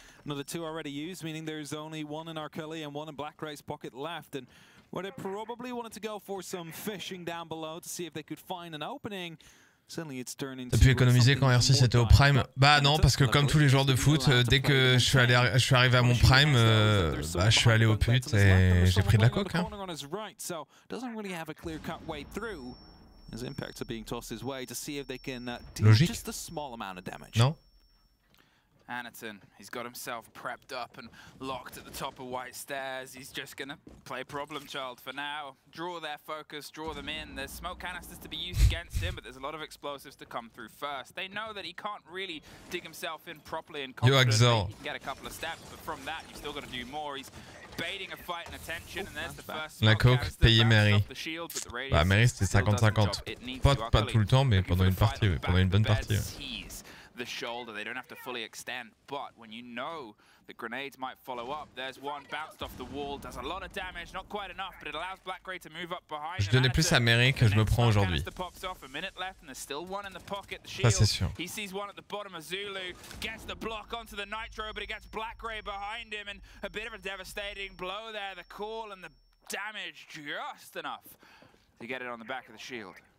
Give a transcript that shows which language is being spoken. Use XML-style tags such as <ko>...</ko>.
<en>Another two already used, meaning there's only one in our cully and one in Black Ray's pocket left. And where they probably wanted to go for some fishing down below to see if they could find an opening.</en> <fr>T'as pu économiser quand RC c'était au prime? Bah non, parce que comme tous les joueurs de foot, dès que je suis arrivé à mon prime, bah, je suis allé au pute et j'ai pris de la coke. Hein. Logique. Non?</fr> <en>Anaton, he's got himself prepped up and locked at the top of White Stairs. He's just gonna play problem child for now. Draw their focus, draw them in. There's smoke canisters to be used against him, but there's a lot of explosives to come through first. They know that he can't really dig himself in properly and confidently. He can get a couple of steps, but from that, you've still got to do more. He's baiting a fight and attention, and there's the first smoke canister.</en> <fr>La coke, payé Mary. Bah, Mary, c'était 50-50. Pas tout le temps, mais pendant une partie, oui. Pendant une bonne partie.</fr> <en>The shoulder, they don't have to fully extend, but when you know the grenades might follow up, there's one bounced off the wall, does a lot of damage, not quite enough, but it allows Black Ray to move up behind.</en> <fr>Je donnais plus à Mary que je me prends aujourd'hui.</fr> <en>A minute left and there's still one in the pocket, the</en> <fr>shield. Ça, c'est sûr.</fr> <en>He sees one at the bottom of Zulu, gets the block onto the nitro, but it gets Black Ray behind him and a bit of a devastating blow there, the call and the damage just enough to get it on the back of the shield.</en>